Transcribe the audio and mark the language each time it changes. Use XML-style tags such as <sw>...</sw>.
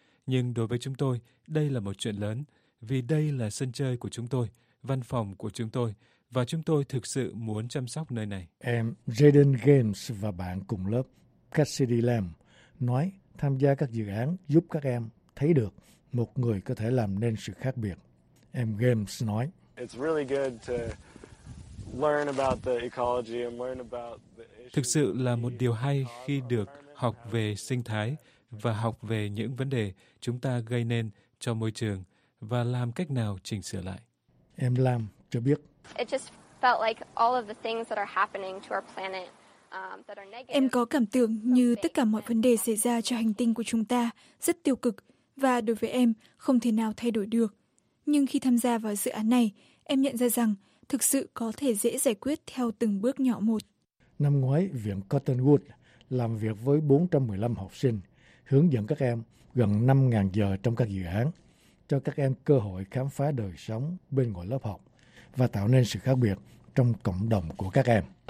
<vi>Nhưng đối với chúng tôi, đây là một chuyện lớn vì đây là sân chơi của chúng tôi, văn phòng của chúng tôi và chúng tôi thực sự muốn chăm sóc nơi này. Em Jaden Games và bạn cùng lớp Cassidy Lamb nói tham gia các dự án giúp các em thấy được một người có thể làm nên sự khác biệt. Em Games nói:</vi> <en>It's really good to learn about the ecology and learn about the issues.</en> <vi>Thực sự là một điều hay khi được học về sinh thái và học về những vấn đề chúng ta gây nên cho môi trường và làm cách nào chỉnh sửa lại. Em Lam cho biết:</vi> <en>It just felt like all of the things that are happening to our planet.</en> <vi>Em có cảm tưởng như tất cả mọi vấn đề xảy ra cho hành tinh của chúng ta rất tiêu cực và đối với em không thể nào thay đổi được. Nhưng khi tham gia vào dự án này, em nhận ra rằng thực sự có thể dễ giải quyết theo từng bước nhỏ một. Năm ngoái, Viện Cottonwood làm việc với 415 học sinh, hướng dẫn các em gần 5.000 giờ trong các dự án, cho các em cơ hội khám phá đời sống bên ngoài lớp học và tạo nên sự khác biệt trong cộng đồng của các em.</vi>